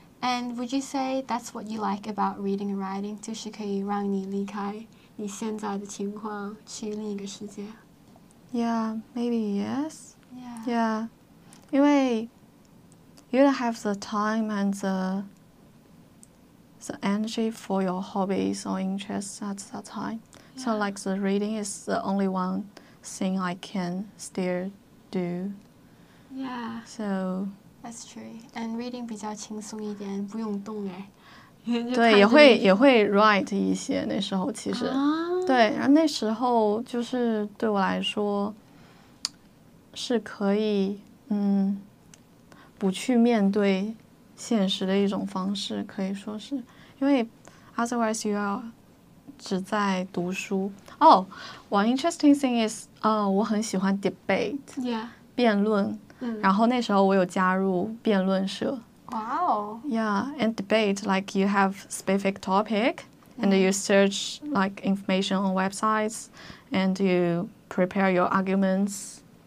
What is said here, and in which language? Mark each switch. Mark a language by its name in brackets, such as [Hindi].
[English] And would you say that's what you like about reading and writing? [Chinese] 就是可以让你离开你现在的情况去另一个世界。 [English] Yeah, maybe yes. Yeah. Yeah. [Chinese] 因为 [English] you don't have the time and the energy for your hobbies or interests at that time.、 Yeah. So like the reading is the only one thing I can still do. Yeah. So... That's true. And reading [Chinese] 比较轻松一点，不用动哎。对，也会 write 一些那时候其实。啊、对，然后那时候就是对我来说是可以不去面对现实的一种方式，可以说是因为 [English] otherwise you are [Chinese] 只在读书。 [English] 哦、oh, ，one interesting thing is [Chinese] 我很喜欢 [English] debate， yeah， [Chinese] 辩论。然后那时候我有加入辩论社。 [English] Wow. Yeah, and debate, like you have specific topic, and you search like information on websites, and you prepare your arguments.